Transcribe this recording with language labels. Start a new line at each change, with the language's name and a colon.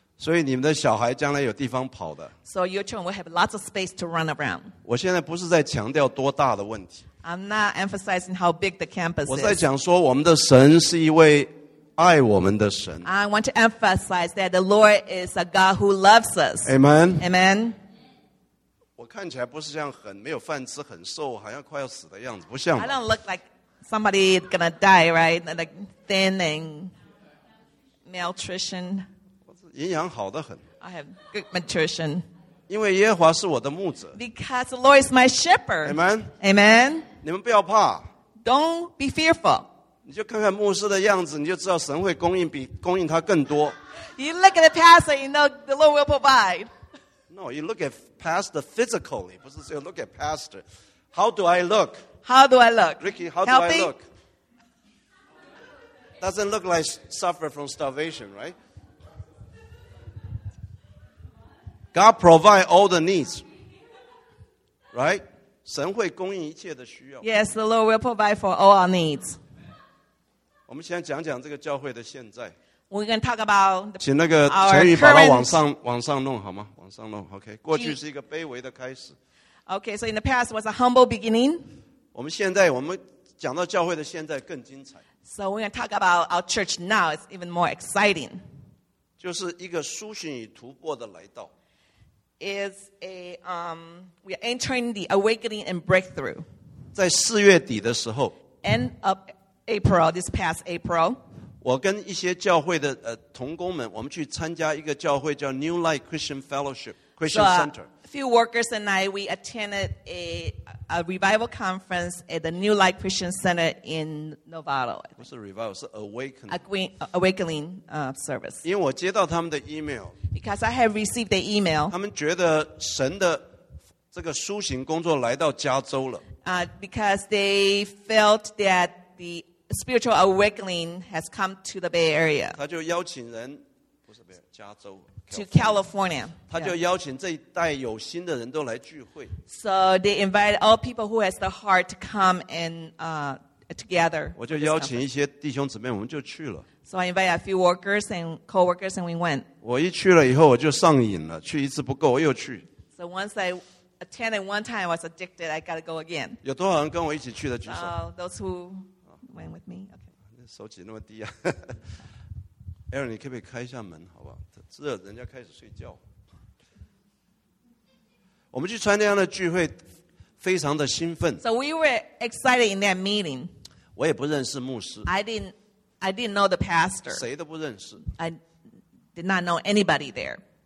Chinese: 所以你们的小孩将来有地方跑的。
English: So your children will have lots of space to run around.
Chinese: 我现在不是在强调多大的问题。
English: I'm not emphasizing how big the campus is.
Chinese: 我在讲说我们的神是一位爱我们的神。
English: I want to emphasize that the Lord is a God who loves us. Amen. Amen.
Chinese: 我看起来不是像很没有饭吃、很瘦，好像快要死的样子，不像。
English: I don't look like somebody gonna die, right? Like thin and malnutrition.
Chinese: 营养好得很。
English: I have good nutrition.
Chinese: 因为耶和华是我的牧者。
English: Because the Lord is my shepherd. Amen. Amen.
Chinese: 你们不要怕。
English: Don't be fearful.
Chinese: 你就看看牧师的样子，你就知道神会供应比供应他更多。
English: You look at the pastor, you know the Lord will provide. No, you look at pastor physically.
Chinese: 不是只有
English: look at pastor. How do I look? How do I look? Ricky, how do I look? Doesn't look like suffer from starvation, right? God provide all the needs. Right?
Chinese: 神会供应一切的需要。
English: Yes, the Lord will provide for all our needs.
Chinese: 我们先讲讲这个教会的现在。
English: We're going to talk about the,
Chinese: 请那个陈宇把它往上弄好吗？往上弄。
English: OK,
Chinese: 过去是一个卑微的开始。
English: OK, so in the past was a humble beginning.
Chinese: 我们现在，我们讲到教会的现在更精彩。
English: So we're going to talk about our church now. It's even more exciting.
Chinese: 就是一个苏醒与突破的来到。
English: Is a we are entering the awakening and breakthrough.
Chinese: 在四月底的时候
English: end of April, this past April,
Chinese: 我跟一些教会的同工们，我们去参加一个教会叫 New Light Christian Fellowship Christian Center.
English: A few workers and I we attended a revival conference at the New Light Christian Center in Novato.
Chinese: 不是 revival, 是 awakening.
English: Awakening service.
Chinese: 因为我接到他们的 email.
English: Because I have received the email.
Chinese: 他们觉得神的这个苏醒工作来到加州了。
English: Because they felt that the spiritual awakening has come to the Bay Area.
Chinese: 他就邀请人，不
English: to California. Yeah. So they invited all people who has the heart to come and together. So I invited a few workers and co-workers and we went.
Chinese: 我一去了以后我就上瘾了,去一次不够,我又去。
English: So once I attended one time, I was addicted, I got to go again.
Chinese: 有多少人跟我一起去的,
English: those who went with me. Okay.
Chinese: 手指那么低啊。 Aaron, 你可不可以开一下门,好不好?这人家开始睡觉。我们去参加的聚会,非常的兴奋。
English: So we were excited in that meeting.
Chinese: 我也不认识牧师。
English: I didn't know the pastor.
Chinese: 谁都不认识。
English: I did not know anybody there.